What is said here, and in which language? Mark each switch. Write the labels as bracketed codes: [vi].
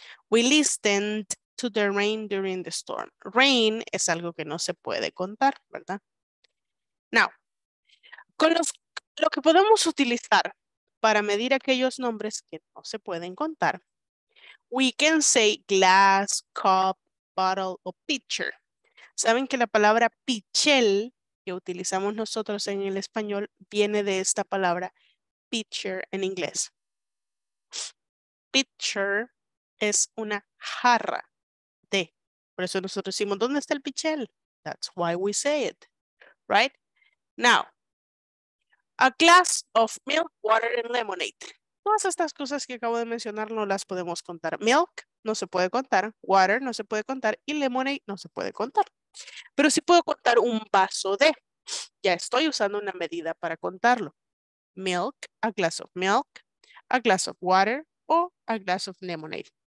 [en] We listened to the rain during the storm. [es] Rain es algo que no se puede contar, ¿verdad? Now, con lo que podemos utilizar para medir aquellos nombres que no se pueden contar, [en] we can say glass, cup, bottle [es] o pitcher. ¿Saben que la palabra pichel que utilizamos nosotros en el español viene de esta palabra pitcher en inglés? Pitcher es una jarra. Por eso nosotros decimos, ¿dónde está el pichel? [en] That's why we say it, right? Now, a glass of milk, water, and lemonade. [es] Todas estas cosas que acabo de mencionar no las podemos contar. Milk no se puede contar, water no se puede contar y lemonade no se puede contar. Pero sí puedo contar un vaso de. Ya estoy usando una medida para contarlo. [en] Milk, a glass of milk, a glass of water [es] o [en] a glass of lemonade.